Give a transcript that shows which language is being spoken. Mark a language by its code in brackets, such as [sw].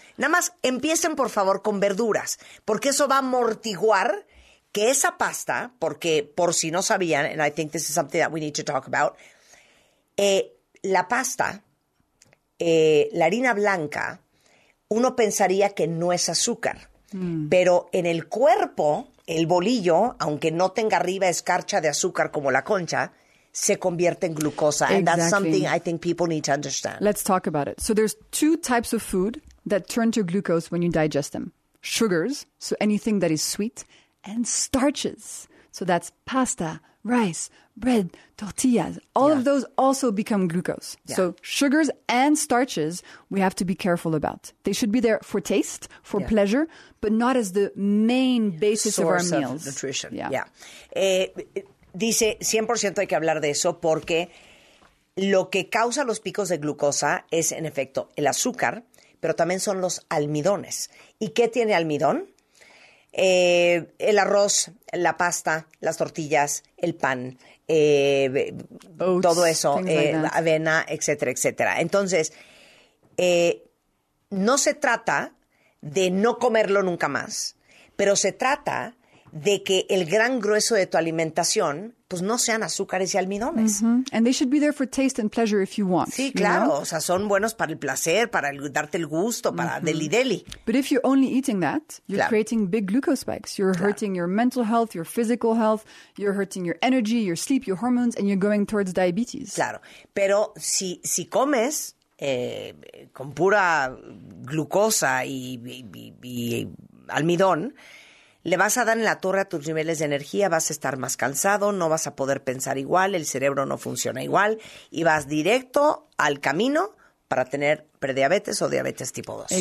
[es] Nada más empiecen, por favor, con verduras, porque eso va a amortiguar que esa pasta, porque por si no sabían, [en] and I think this is something that we need to talk about, [es] la pasta, la harina blanca, uno pensaría que no es azúcar. Pero en el cuerpo, el bolillo, aunque no tenga arriba escarcha de azúcar como la concha, se convierte en glucosa. [en] Exactly. And that's something I think people need to understand. Let's talk about it. So there's two types of food that turn to glucose when you digest them. Sugars, so anything that is sweet, and starches. So that's pasta, rice, bread, tortillas. All of those also become glucose. Yeah. So sugars and starches, we have to be careful about. They should be there for taste, for pleasure, but not as the main basis source of our meals. Source of nutrition, [es] dice, 100% hay que hablar de eso porque lo que causa los picos de glucosa es, en efecto, el azúcar, pero también son los almidones. ¿Y qué tiene almidón? El arroz, la pasta, las tortillas, el pan, [en] oats, [es] todo eso, [en] like [es] avena, etcétera, etcétera. Entonces, no se trata de no comerlo nunca más, pero se trata de que el gran grueso de tu alimentación pues no sean azúcares y almidones. Mm-hmm. [en] And they should be there for taste and pleasure if you want. [es] Sí, claro. [en] You know? [es] O sea, son buenos para el placer, para darte el gusto, para deli. [en] But if you're only eating that, you're creating big glucose spikes. You're hurting your mental health, your physical health. You're hurting your energy, your sleep, your hormones, and you're going towards diabetes. [es] Claro. Pero si comes con pura glucosa y almidón, le vas a dar en la torre a tus niveles de energía, vas a estar más cansado, no vas a poder pensar igual, el cerebro no funciona igual y vas directo al camino para tener prediabetes o diabetes tipo 2.